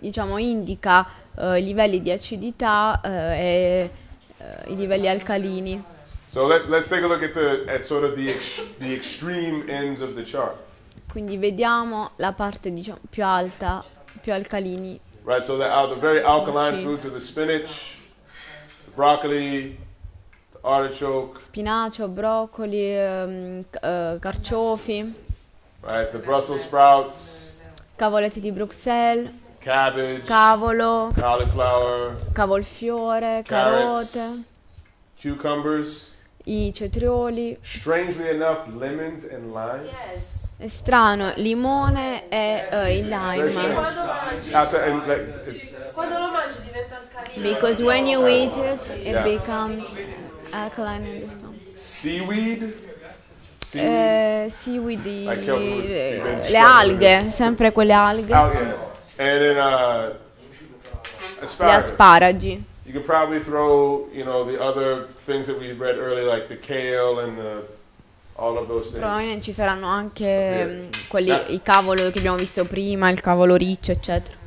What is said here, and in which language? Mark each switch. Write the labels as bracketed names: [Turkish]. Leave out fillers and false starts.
[Italian] Diciamo, indica i livelli di acidità e i livelli alcalini. [English] So let's take a look at sort of the extreme ends of the chart. [Italian] Quindi vediamo la parte, diciamo, più alta, più alcalini. [English] Right, so the very alkaline foods are the spinach, the broccoli, the artichoke. [Italian] Spinacio, broccoli, carciofi. [English] Right, the Brussels sprouts. [Italian] Cavoletti di Bruxelles. [English] Cabbage. [Italian] Cavolo. [English] Cauliflower. [Italian] Cavolfiore. [English] Carrots, [Italian] carote. [English] Cucumbers. [Italian] I cetrioli. [English] Strangely enough, lemons and limes. Yes. [Italian] È strano, limone e il lime. Quando lo mangi diventa alcalino. [English] Because when you eat it, it becomes alkaline in the stomach. Seaweed. [Italian] Seaweed. Le alghe, sempre quelle alghe. [English] And then [Italian] gli asparagi. [English] You could probably throw, you know, the other things that we read earlier, like the kale and the. All of those. [Italian] Però ci saranno anche quelli, i cavolo che abbiamo visto prima, il cavolo riccio, eccetera.